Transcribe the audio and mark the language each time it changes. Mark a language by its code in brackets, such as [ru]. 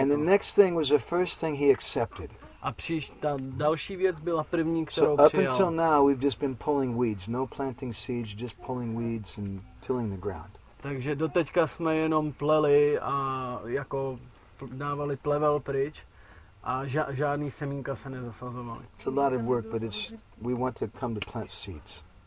[en] And the next thing was the first thing he accepted. [cs] A ta další věc byla první, kterou přijal. [en] So up until now we've just been pulling weeds, no planting seeds, just pulling weeds and tilling the ground. [cs] Takže doteďka jsme jenom pleli a jako dávali plevel pryč. A žádný semínka se nezasazovaly. [en] It's a lot of work, but it's we want to come to plant seeds.